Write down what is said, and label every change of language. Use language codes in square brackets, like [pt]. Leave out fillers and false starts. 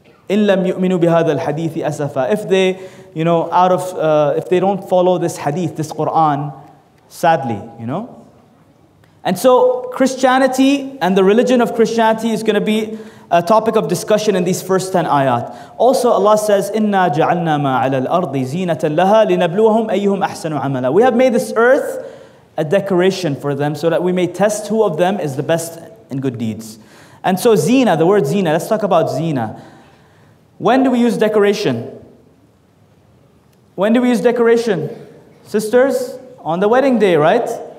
[ar] إِن لَمْ يُؤْمِنُوا بِهَذَا الْحَدِيثِ أَسَفًا. [en] If they, you know, if they don't follow this hadith, this Qur'an, sadly, you know. And so Christianity and the religion of Christianity is going to be a topic of discussion in these first 10 ayat. Also Allah says, [ar] إِنَّا جَعَلْنَا مَا عَلَى الْأَرْضِ زِينَةً لَهَا لِنَبْلُوَهُمْ أَيُّهُمْ أَحْسَنُ عَمَلًا. [en] We have made this earth a decoration for them so that we may test who of them is the best in good deeds. And so zina, the word zina, let's talk about zina. When do we use decoration? When do we use decoration? Sisters, on the wedding day, right?